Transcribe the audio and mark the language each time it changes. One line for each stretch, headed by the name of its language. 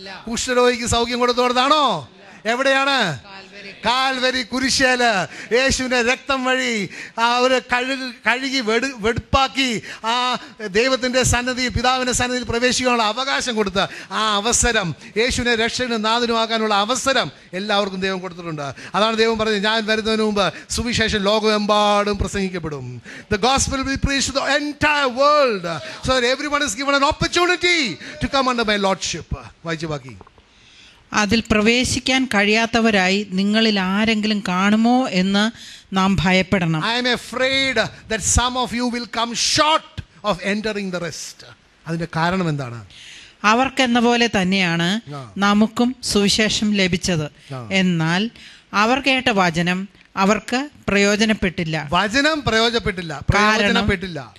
Malayalam: കുഷ്ഠരോഗിക്ക് സൗഖ്യം കൊടുത്തോടതാണോ? എവിടെയാണ്? കാൽവരി കുരിശേല, യേശുവിന്റെ രക്തം വഴി ആ ഒരു കഴുകി വെടുപ്പാക്കി ആ ദൈവത്തിന്റെ സന്നിധി, പിതാവിന്റെ സന്നിധിയിൽ പ്രവേശിക്കാനുള്ള അവകാശം കൊടുത്ത ആ അവസരം, യേശുവിനെ രക്ഷകനും നാഥനുമാക്കാനുള്ള അവസരം എല്ലാവർക്കും ദൈവം കൊടുത്തിട്ടുണ്ട്. അതാണ് ദൈവം പറഞ്ഞത്, ഞാൻ വരുന്നതിന് മുമ്പ് സുവിശേഷം ലോകമെമ്പാടും പ്രസംഗിക്കപ്പെടും.
English: The gospel will be preached to the entire world, so that everyone is given an opportunity to come under my lordship.
Malayalam: വായിച്ചു ബാക്കി. അതിൽ പ്രവേശിക്കാൻ കഴിയാത്തവരായി നിങ്ങളിൽ ആരെങ്കിലും കാണുമോ എന്ന് നാം ഭയപ്പെടണം.
English: I am afraid that some of you will come short of entering the rest.
Malayalam: അതിന്റെ കാരണം എന്താണ്? അവർക്ക് എന്ന പോലെ തന്നെയാണ് നമുക്കും സുവിശേഷം ലഭിച്ചത്. എന്നാൽ അവർ കേട്ട വചനം അവർക്ക് പ്രയോജനപ്പെട്ടില്ല. വചനം പ്രയോജനപ്പെട്ടില്ല, പ്രയോജനപ്പെട്ടില്ല.